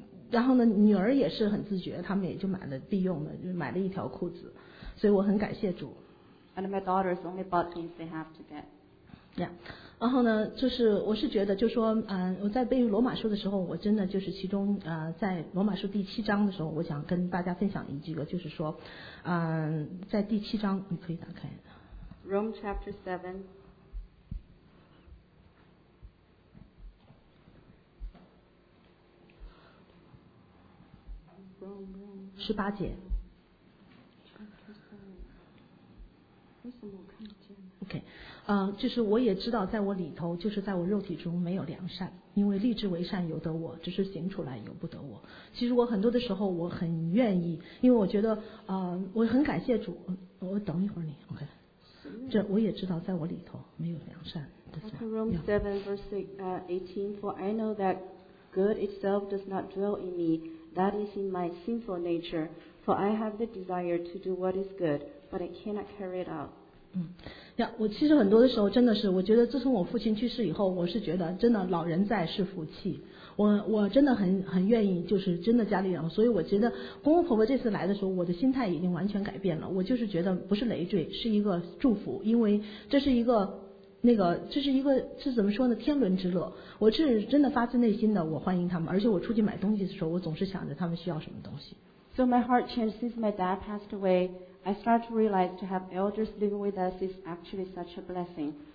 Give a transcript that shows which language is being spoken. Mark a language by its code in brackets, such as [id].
[zh] 然后呢，女儿也是很自觉，他们也就买了必用的，就买了一条裤子，所以我很感谢主。 [en] And my daughters only bought things they have to get. Yeah. [zh] 然后呢，就是我是觉得，就说，我在背罗马书的时候，我真的就是其中，在罗马书第七章的时候，我想跟大家分享一句，就是说，在第七章，你可以打开。 [en] Rome chapter seven. Rome. [zh] 十八节。为什么我看不见呢？OK，就是我也知道，在我里头，就是在我肉体中没有良善，因为立志为善由得我，只是行出来由不得我。其实我很多的时候，我很愿意，因为我觉得，我很感谢主。我等一会儿你，OK。这我也知道，在我里头没有良善。 [en] Rome 7 verse 18, for I know that good itself does not dwell in me, that is in my sinful nature, for I have the desire to do what is good. But I cannot carry it out. [zh] 我其实很多的时候真的是，我觉得自从我父亲去世以后，我是觉得真的老人在是福气。我真的很愿意，就是真的家里人，所以我觉得公公婆婆这次来的时候，我的心态已经完全改变了。我就是觉得不是累赘，是一个祝福，因为这是一个那个，这是一个是怎么说呢？天伦之乐。我是真的发自内心的，我欢迎他们，而且我出去买东西的时候，我总是想着他们需要什么东西。 [en] So my heart changed since my dad passed away. I start to realize to have elders living with us is actually such a blessing.